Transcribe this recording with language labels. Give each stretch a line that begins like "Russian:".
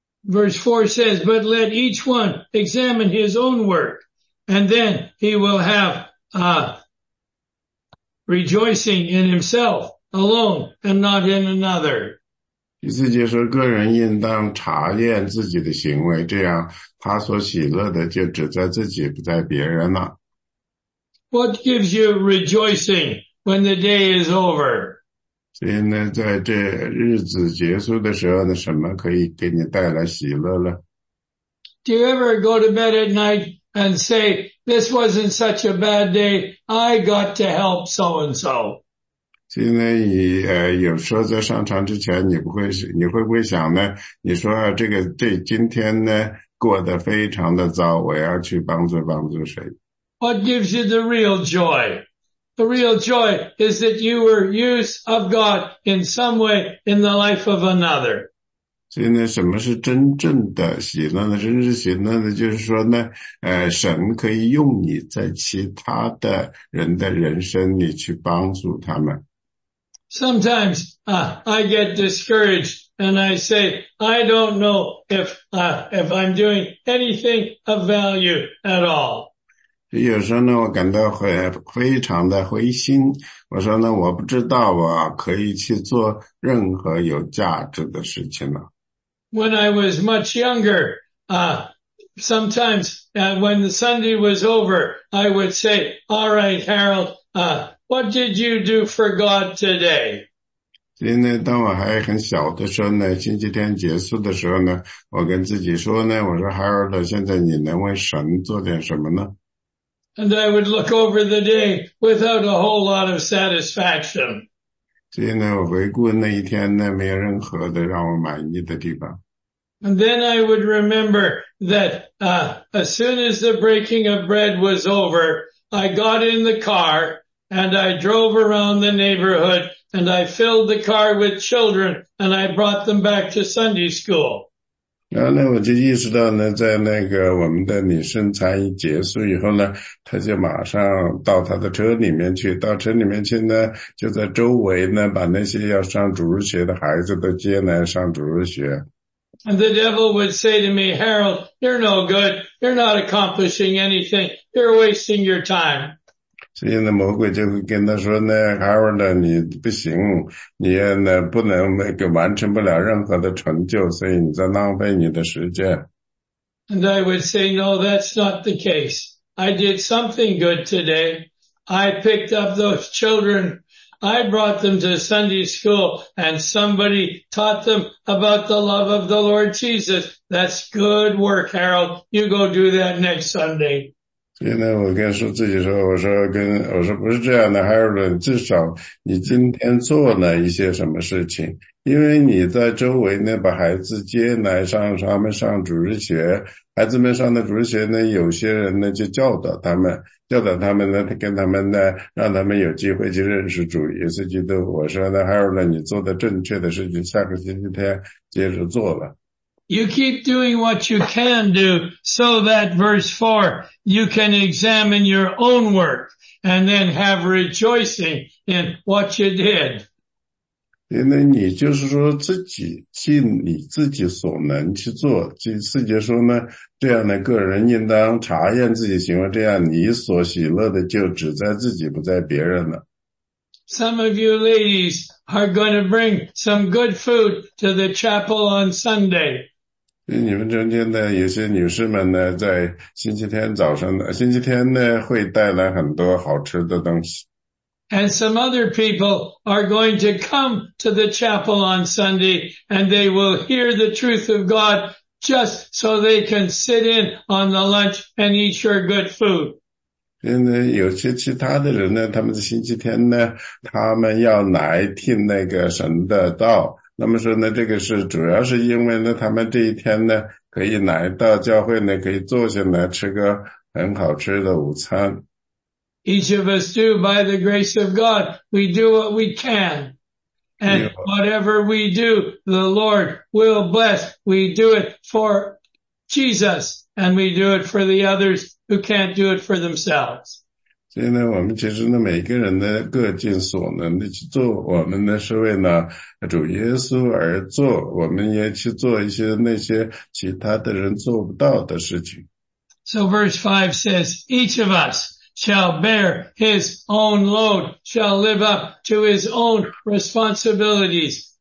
English: Verse 4 says, but let each one examine his own work, and then he will have rejoicing in himself alone and not in another.
Chinese: 第四节说，个人应当查验自己的行为，这样他所喜乐的就只在自己，不在别人了。
English: What gives you rejoicing when the day is over?
Chinese: 所以呢，在这日子结束的时候呢，什么可以给你带来喜乐呢？
English: Do you ever go to bed at night and say, this wasn't such a bad day, I got to help so-and-so?
Chinese: 所以呢，你有时候在上床之前，你会不会想呢？你说啊，这今天呢过得非常的糟，我要去帮助帮助谁
English: ？What gives you the real joy? The real joy is that you were used of God in some way in the life of another.
Chinese: 所以呢，什么是真正的喜乐呢？真正喜乐呢，就是说呢，神可以用你在其他的人的人生里去帮助他们。
English: Sometimes, I get discouraged and I say, I don't know if I'm doing anything of value at all.
Chinese: 有时候呢，我感到非常的灰心。我说呢，我不知道我可以去做任何有价值的事情了。
English: When I was much younger, sometimes, when the Sunday was over, I would say, all right, Harold, what did you do for God today?
Chinese: 所以呢，当我还很小的时候呢，星期天结束的时候呢，我跟自己说呢，我说孩儿的，现在你能为神做点什么呢？
English: And I would look over the day without a whole lot of satisfaction.
Chinese: 所以呢，我回顾那一天呢，没有任何的让我满意的地方。
English: And then I would remember that, as soon as the breaking of bread was over, I got in the car, and I drove around the neighborhood, and I filled the car with children, and I brought them back to Sunday school.
Chinese: 然后呢，我就意识到呢，在那个我们的女生餐一结束以后呢，他就马上到他的车里面去，到车里面去呢，就在周围呢，把那些要上主日学的孩子都接来上主日学。
English: And the devil would say to me, Harold, you're no good. You're not accomplishing anything. You're wasting your time.
Chinese: 所以呢，魔鬼就会跟他说呢 ，Harold， 你不行，你呢不能那个完成不了任何的成就，所以你在浪费你的时间。
English: And I would say, no, that's not the case. I did something good today. I picked up those children. I brought them to Sunday school and somebody taught them about the love of the Lord Jesus. That's good work, Harold. You go do that next Sunday.
Chinese: 所以呢，我跟说自己说，我说不是这样的 ，Harold， 至少你今天做了一些什么事情，因为你在周围呢把孩子接来上他们上主日学，孩子们上的主日学呢，有些人呢就教导他们呢，跟他们呢，让他们有机会去认识主耶稣基督。我说呢 ，Harold， 你做的正确的事情，下个星期天接着做了。
English: You keep doing what you can do so that verse 4, you can examine your own work and then have rejoicing in what you did.
Chinese: 因为你就是说自己尽你自己所能去做，第四节说呢，这样的个人应当查验自己行为，这样你所喜乐的就只在自己不在别人了。
English: Some of you ladies are going to bring some good food to the chapel on Sunday.
Chinese: 你们中间呢，有些女士们呢，在星期天早上呢，星期天呢，会带来很多好吃的东西。
English: And some other people are going to come to the chapel on Sunday, and they will hear the truth of God just so they can sit in on the lunch and eat your good food.
Chinese: 因为有些其他的人呢，他们在星期天呢，他们要来听那个神的道。那么说呢，这个是主要是因为呢，他们这一天呢，可以来到教会呢，可以坐下来吃个很好吃的午餐。
English: Each of us do by the grace of God, we do what we can, and whatever we do, the Lord will bless. We do it for Jesus, and we do it for the others. Who can't do it for themselves.
Chinese: 所以呢，我们其实呢，每个人呢，各尽所能的去做。我们呢，是为了主耶稣而做。我们也去做一些那些其他的人做不到的事情。
English: So verse 5 says, each of us shall bear his own load, shall live up to his own responsibilities.